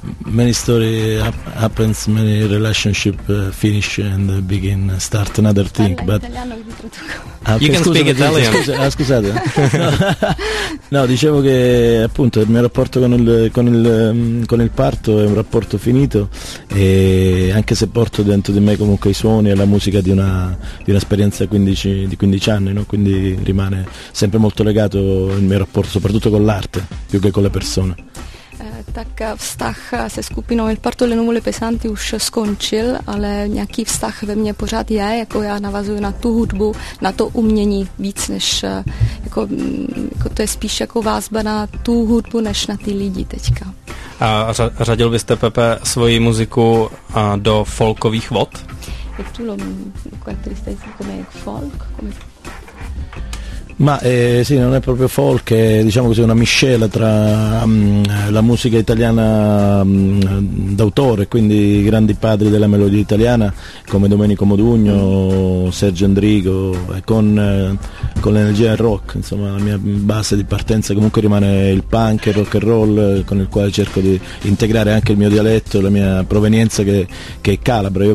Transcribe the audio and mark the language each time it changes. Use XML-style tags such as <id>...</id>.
<en>Many story happens, many relationship finish and begin, start another thing. But you can speak Italian.</en> <it>Scusate. No, dicevo che appunto il mio rapporto con il parto è un rapporto finito, e anche se porto dentro di me comunque i suoni e la musica di una esperienza di 15 anni, no? Quindi rimane sempre molto legato il mio rapporto soprattutto con l'arte più che con le persone.</it> <cs>Tak vztah se skupinou Il Parto delle Nuvole Pesanti už skončil, ale nějaký vztah ve mně pořád je, jako já navazuju na tu hudbu, na to umění víc než, jako to je spíš jako vazba na tu hudbu, než na ty lidi teďka. A řadil byste, Pepe, svoji muziku do folkových vod? Je tu lom, který jste říkáme jak folk,</cs> <it>Ma sì, non è proprio folk, è, diciamo così, una miscela tra la musica italiana d'autore, quindi i grandi padri della melodia italiana come Domenico Modugno, Sergio Endrigo, con l'energia rock, insomma la mia base di partenza comunque rimane il punk, il rock and roll, con il quale cerco di integrare anche il mio dialetto, la mia provenienza che è Calabria.</it>